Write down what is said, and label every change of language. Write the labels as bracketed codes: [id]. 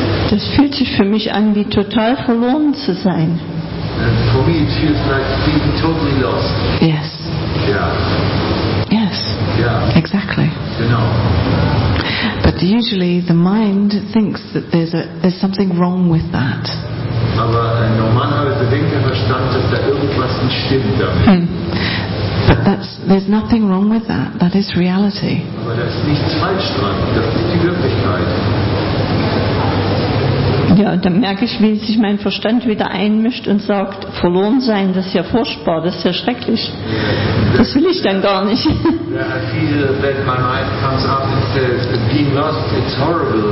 [de] Das fühlt sich für mich an, wie total verloren zu sein. [en] And for me it feels like being totally lost. Yes. Yeah. Yes. Yeah. Exactly. You know. But usually the mind thinks that there's something wrong with that. [de] Aber normalerweise denkt der Verstand, dass da irgendwas nicht stimmt damit. [en] But there's nothing wrong with that. That is reality. [de] Aber da ist nichts falsch dran. Das ist die Wirklichkeit. Ja, und dann merke ich, wie sich mein Verstand wieder einmischt und sagt, verloren sein, das ist ja furchtbar, das ist ja schrecklich. Das will ich dann gar nicht. [en] Yeah, I feel that my mind comes up and says, being lost, it's horrible.